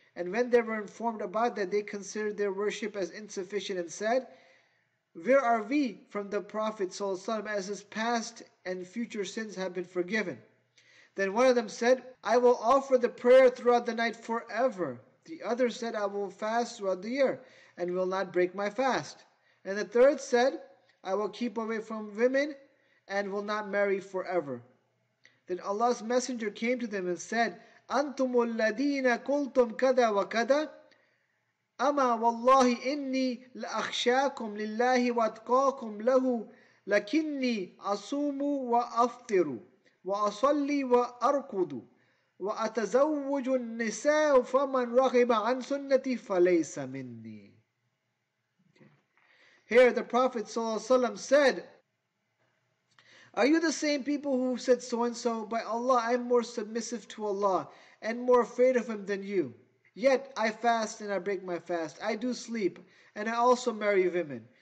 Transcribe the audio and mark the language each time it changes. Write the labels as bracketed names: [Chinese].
[English] And when they were informed about that, they considered their worship as insufficient and said, where are we from the Prophet ﷺ as his past and future sins have been forgiven? Then one of them said, I will offer the prayer throughout the night forever. The other said, I will fast throughout the year and will not break my fast. And the third said, I will keep away from women and will not marry forever. Then Allah's messenger came to them and said, [Arabic] أَنْتُمُ الَّذِينَ قُلْتُمْ كَذَا وَكَذَا أَمَا وَاللَّهِ إِنِّي لَأَخْشَاكُمْ لِلَّهِ وَأَتْقَاكُمْ لَهُ لَكِنِّي أَصُومُ وَأَفْطِرُ وَأَصَلِّي وَأَرْكُدُ وَأَتَزَوُّجُ النِّسَاءُ فَمَنْ رَغِبَ عَنْ سُنَّتِي فَلَيْسَ مِنِّي. [English] Here the Prophet ﷺ said, are you the same people who said so-and-so? By Allah, I am more submissive to Allah and more afraid of Him than you. Yet I fast and I break my fast. I do sleep and I also marry women.